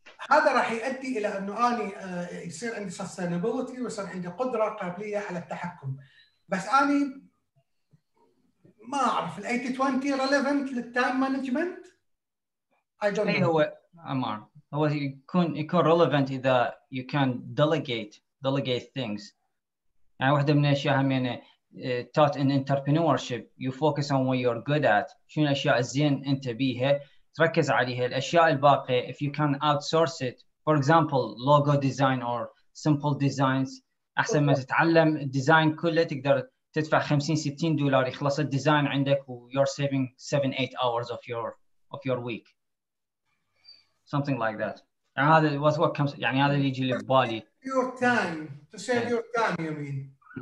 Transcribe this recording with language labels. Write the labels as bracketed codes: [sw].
[ar] هذا راح يؤدي الى انه اني يصير عندي sustainability ويصير عندي قدره قابليه على التحكم. بس اني ما اعرف ال 80-20 relevant للتايم مانجمنت. اي هو عمار هو يكون relevant اذا [en] you can delegate things. [ar] يعني واحده من الاشياء هم يعني [en] taught in entrepreneurship you focus on what you're good at. [ar] شنو الاشياء الزين انت بيها تركز عليها، الأشياء الباقية [en] if you can outsource it [ar] for example logo design or simple designs أحسن ما تتعلم design كله تقدر تدفع 50-60 دولار يخلص الديزاين عندك و [en] you're saving 7-8 hours of your week something like that. [ar] يعني هذا [en] was what comes [ar] يعني هذا اللي يجي لبالي [en] to save your time you mean.